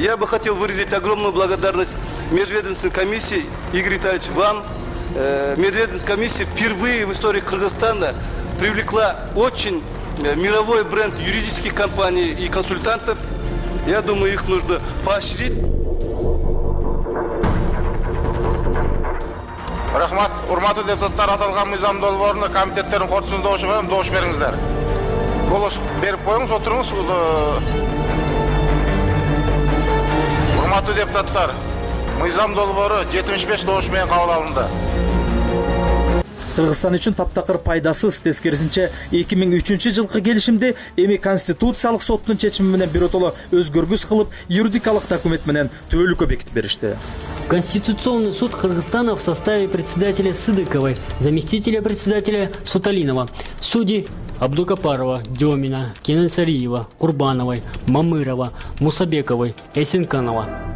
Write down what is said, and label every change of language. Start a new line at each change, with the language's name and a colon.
Russian: Я бы хотел выразить огромную благодарность межведомственной комиссии, Игорь Витальевич, вам. Межведомственная комиссия впервые в истории Кыргызстана привлекла очень мировой бренд юридических компаний и консультантов. Я думаю, их нужно поощрить.
Kyrgyz: Рахмат, урматтуу депутаттар, аталган мыйзам долбоорунда комитеттердин корутусунда добуш бериңиздер. Голос берип коюңуз, отуруңуз. Урматтуу депутаттар, мыйзам долбоору 75 добуш менен кабыл алынды. Кыргызстан үчүн таптакыр пайдасыз. Тескерисинче 2003 жылкы келишимди эми Конституциялык соттун чечими менен биротоло өзгөргүс кылып, юридикалык документ менен түбөлүккө бекитип беришти.
Russian: Конституционный суд Кыргызстана в составе председателя Сыдыковой, заместителя председателя Суталинова, судей Абдукапарова, Демина, Кенесариева, Курбановой, Мамырова, Мусабековой, Эсенканова.